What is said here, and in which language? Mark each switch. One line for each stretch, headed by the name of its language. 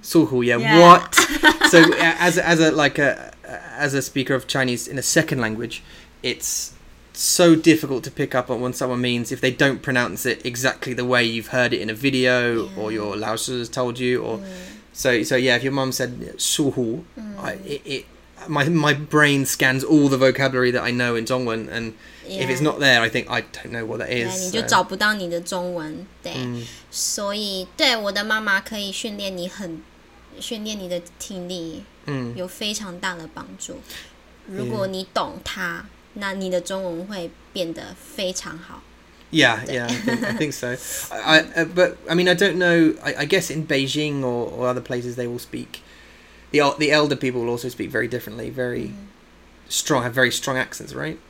English: 舒服 what so as a speaker of Chinese in a second language it'sso difficult to pick up on what someone means if they don't pronounce it exactly the way you've heard it in a video or your 老师 told you or So yeah, if your mum said 疏忽, my brain scans all the vocabulary that I know in 中文, and if it's not there, I think I don't know what that is.
Chinese: Yeah, 你就找不到你的中文。所以对我的妈妈可以训练你的听力有非常大的帮助。如果你懂它, 那你的中文会变得非常好。Yeah,
English: yeah, I think so. I guess in Beijing or other places they will speak, the elder people will also speak very differently, very strong, have very strong accents, right?